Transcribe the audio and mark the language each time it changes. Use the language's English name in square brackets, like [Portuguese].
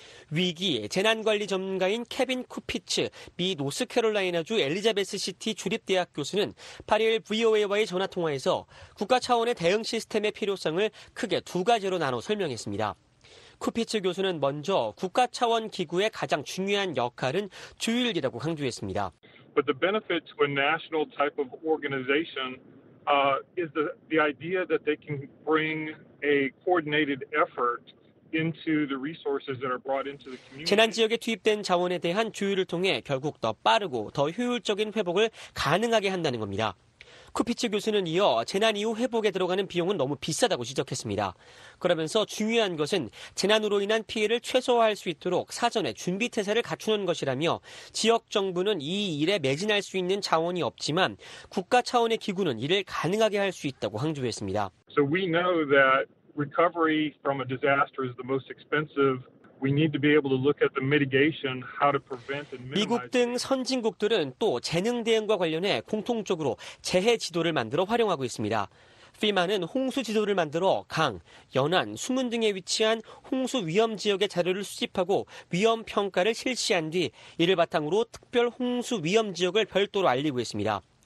[Korean] 위기 재난관리 전문가인 케빈 쿠피츠 미 노스캐롤라이나주 엘리자베스 시티 주립대학 교수는 8일 VOA와의 전화통화에서 국가 차원의 대응 시스템의 필요성을 크게 두 가지로 나눠 설명했습니다. 쿠피츠 교수는 먼저 국가 차원 기구의 가장 중요한 역할은 조율이라고 강조했습니다. [English] But the benefits when national type of organization is the idea that they can bring a coordinated effort into the resources that are brought into the community. [Korean] 재난 지역에 투입된 자원에 대한 조율을 통해 결국 더 빠르고 더 효율적인 회복을 가능하게 한다는 겁니다. 쿠피츠 교수는 이어 재난 이후 회복에 들어가는 비용은 너무 비싸다고 지적했습니다. 그러면서 중요한 것은 재난으로 인한 피해를 최소화할 수 있도록 사전에 준비태세를 갖추는 것이라며 지역 정부는 이 일에 매진할 수 있는 자원이 없지만 국가 차원의 기구는 이를 가능하게 할 수 있다고 강조했습니다. [English] So we know that recovery from a disaster is the most expensive. We need to be able to look at the mitigation, how to prevent and minimize. [Korean] 미국 등 선진국들은 또 재능 대응과 관련해 공통적으로 재해 지도를 만들어 활용하고 있습니다. FEMA는 홍수 지도를 만들어 강, 연안, 수문 등에 위치한 홍수 위험 지역의 자료를 수집하고 위험 평가를 실시한 뒤 이를 바탕으로 특별 홍수 위험 지역을 별도로 알리고 있습니다.